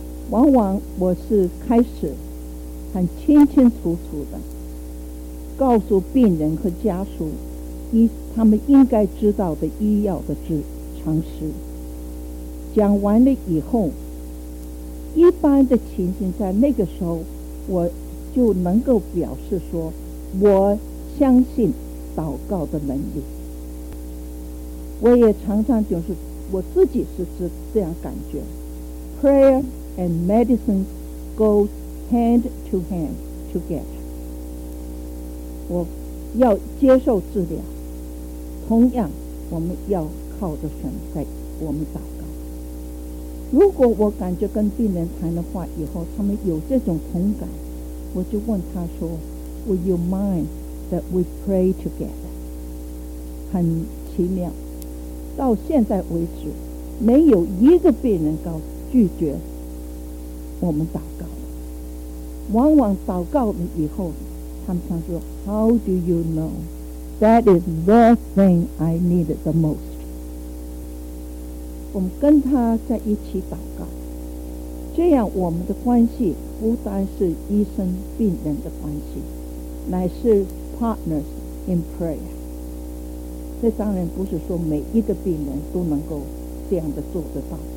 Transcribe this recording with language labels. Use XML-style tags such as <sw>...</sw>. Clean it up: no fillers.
<zh>往往我是开始很清清楚楚的告诉病人和家属他们应该知道的医药的常识，讲完了以后，一般的情形在那个时候我就能够表示说，我相信祷告的能力。我也常常就是我自己是这样感觉。</zh> <en>Prayer and medicine go hand to hand together.</en> <zh>我要接受治疗，同样我们要靠着神在我们祷告。如果我感觉跟病人谈的话以后，他们有这种同感，我就问他说</zh> <en>Would you mind that we pray together?</en> <zh>很奇妙，到现在为止没有一个病人拒绝我们祷告。往往祷告了以后，他们常说</zh> <en>How do you know? That is the thing I needed the most.</en> <zh>我们跟他在一起祷告，这样我们的关系不单是医生病人的关系，乃是</zh> <en>partners in prayer。</en> <zh>这当然不是说每一个病人都能够这样的做得到。</zh>